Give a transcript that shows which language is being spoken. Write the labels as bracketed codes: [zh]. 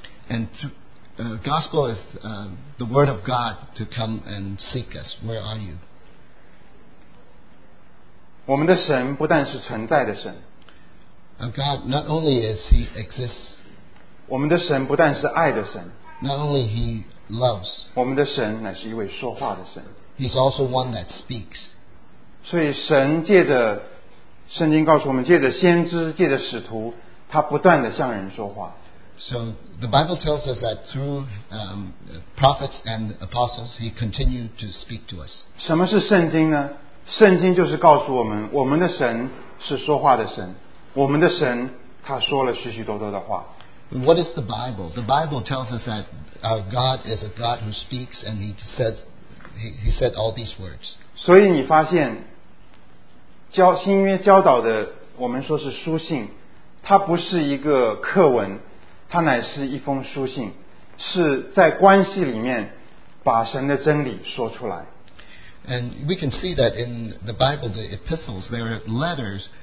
[en] And gospel is the word of God to come and seek us. Where are you? [zh] 我们的神不但是存在的神。 [en] God not only is he exists. [zh] 我们的神不但是爱的神， [en] Not only he loves, [zh] 我们的神乃是一位说话的神。 [en] He's also one that speaks. [zh] 所以神借着圣经告诉我们，借着先知，借着使徒，他不断地向人说话。 [en] So the Bible tells us that through prophets and apostles, he continued to speak to us. [zh] 什么是圣经呢？圣经就是告诉我们，我们的神是说话的神，我们的神他说了许许多多的话。 [en] What is the Bible? The Bible tells us that our God is a God who speaks, and He said all these words. [zh] 所以你发现，教新约教导的，我们说是书信，它不是一个课文，它乃是一封书信，是在关系里面把神的真理说出来。 [en] And we can see that in the Bible, the epistles, they are letters.